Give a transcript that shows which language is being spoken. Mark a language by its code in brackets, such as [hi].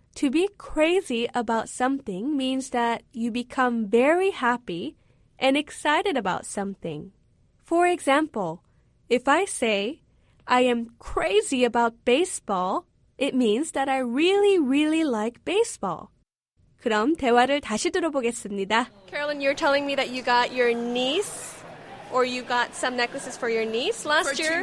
[en] To be crazy about something means that you become very happy and excited about something. For example, if I say I am crazy about baseball, it means that I really, really like baseball. [ko] 그럼 대화를 다시 들어보겠습니다. [en] Carolyn, you're telling me that you got your niece or you got some necklaces for your niece last year?